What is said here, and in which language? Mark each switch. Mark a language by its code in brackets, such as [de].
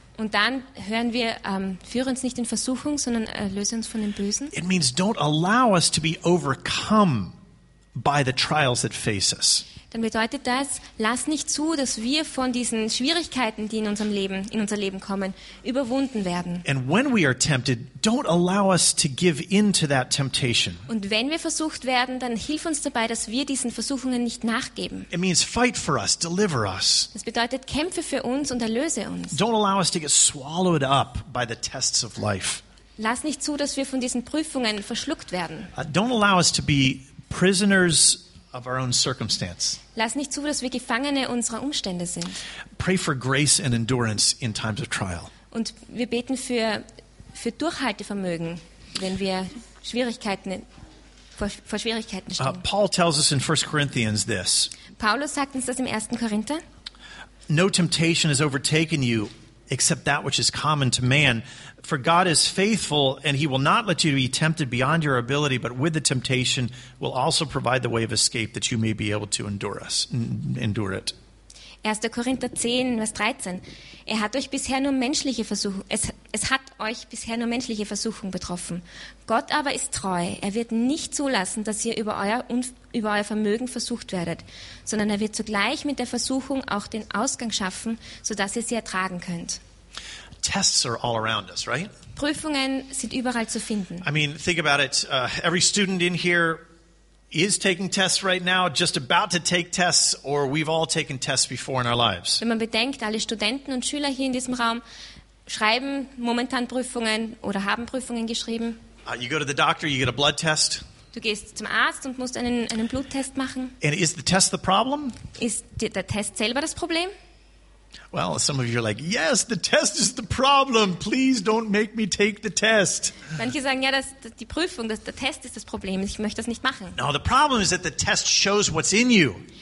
[de] Und dann hören wir, führe uns nicht in Versuchung, sondern erlöse uns von dem Bösen. [en] It means don't allow us to be overcome by the trials that face us. [de] Dann bedeutet das, lass nicht zu, dass wir von diesen Schwierigkeiten, die in unser Leben kommen, überwunden werden. [en] And when we are tempted, don't allow us to give in to that temptation. [de] Und wenn wir versucht werden, dann hilf uns dabei, dass wir diesen Versuchungen nicht nachgeben. [en] It means fight for us, deliver us. [de] Das bedeutet, kämpfe für uns und erlöse uns. [en] Don't allow us to get swallowed up by the tests of life. [de] Lass nicht zu, dass wir von diesen Prüfungen verschluckt werden. [en] Don't allow us to be prisoners of our own circumstance. [de] Lass nicht zu, dass wir Gefangene unserer Umstände sind. [en] Pray for grace and endurance in times of trial. [de] Und wir beten für Durchhaltevermögen, wenn wir vor Schwierigkeiten stehen. [en] Paul tells us in 1 Corinthians this. [de] Paulus sagt uns das im 1. Korinther. [en] No temptation has overtaken you except that which is common to man. For God is faithful, and he will not let you be tempted beyond your ability, but with the temptation will also provide the way of escape that you may be able to endure it. [de] 1. Korinther 10, Vers 13. Er hat euch bisher nur menschliche Versuchung, es hat euch bisher nur menschliche Versuchung betroffen. Gott aber ist treu. Er wird nicht zulassen, dass ihr über euer Vermögen versucht werdet, sondern er wird zugleich mit der Versuchung auch den Ausgang schaffen, sodass ihr sie ertragen könnt. [en] Tests are all around us, right? [de] Prüfungen sind überall zu finden. [en] I mean, think about it. Every student in here is taking tests right now, just about to take tests, or we've all taken tests before in our lives. [de] Wenn man bedenkt, alle Studenten und Schüler hier in diesem Raum schreiben momentan Prüfungen oder haben Prüfungen geschrieben. [en] You go to the doctor, you get a blood test. [de] Du gehst zum Arzt und musst einen Bluttest machen. [en] And is the test the problem? [de] Ist der Test selber das Problem? [en] Well, some of you are like, yes, the test is the problem. Please don't make me take the test. [de] Manche sagen, ja, die Prüfung, der Test ist das Problem. Ich möchte das nicht machen. [en] No, the problem is that the test shows what's in you.